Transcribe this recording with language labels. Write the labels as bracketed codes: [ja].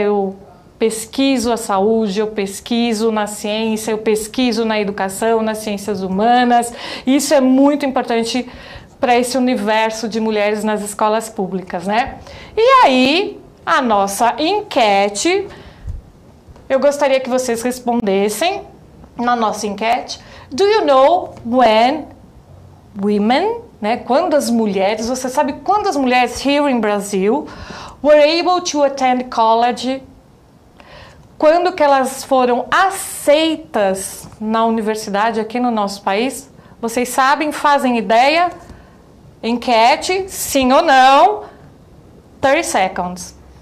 [pt] Eu pesquiso a saúde, eu pesquiso na ciência, eu pesquiso na educação, nas ciências humanas. Isso é muito importante para esse universo de mulheres nas escolas públicas, né? E aí, a nossa enquete. Eu gostaria que vocês respondessem na nossa enquete. [en] Do you know when women, [pt] né? Quando as mulheres, você sabe quando as mulheres [en] here in Brazil were able to attend college? [pt] Quando que elas foram aceitas na universidade aqui no nosso país? Vocês sabem, fazem ideia? Enquete, sim ou não? [en] 30 seconds.